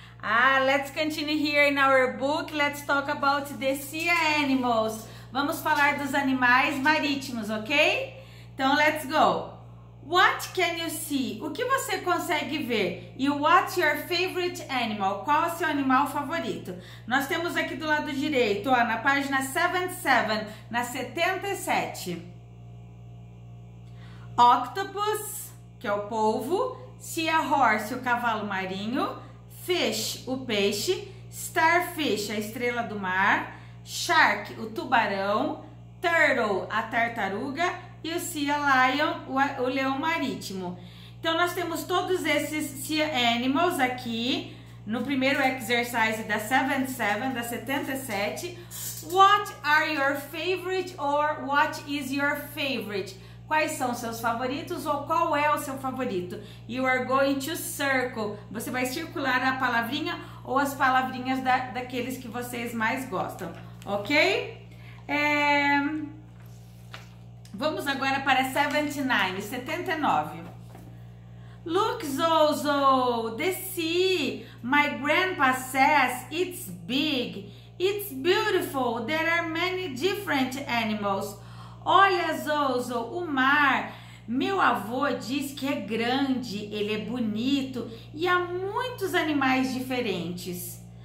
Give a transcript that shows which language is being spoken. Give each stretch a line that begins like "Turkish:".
English: Ah, let's continue here in our book. Let's talk about the sea animals.
Portuguese: Vamos falar dos animais marítimos, ok? Então,
English: let's go. What can you see?
Portuguese: O que você consegue ver?
English: E what's your favorite animal?
Portuguese: Qual é o seu animal favorito? Nós temos aqui do lado direito, ó, na página 77, na 77. Octopus, que é o polvo. Seahorse, o cavalo marinho. Fish, o peixe. Starfish, a estrela do mar. Shark, o tubarão. Turtle, a tartaruga. E o sea lion, o leão marítimo. Então, nós temos todos esses sea animals aqui no primeiro exercise da 77, da 77.
English: What are your favorite or what is your favorite?
Portuguese: Quais são seus favoritos ou qual é o seu favorito?
English: You are going to circle.
Portuguese: Você vai circular a palavrinha ou as palavrinhas daqueles que vocês mais gostam. Ok? Vamos agora para 79, 79.
English: Look, Zozo, the sea, my grandpa says it's big. It's beautiful, there are many different animals.
Portuguese: Olha, Zozo, o mar, meu avô diz que é grande, ele é bonito e há muitos animais diferentes.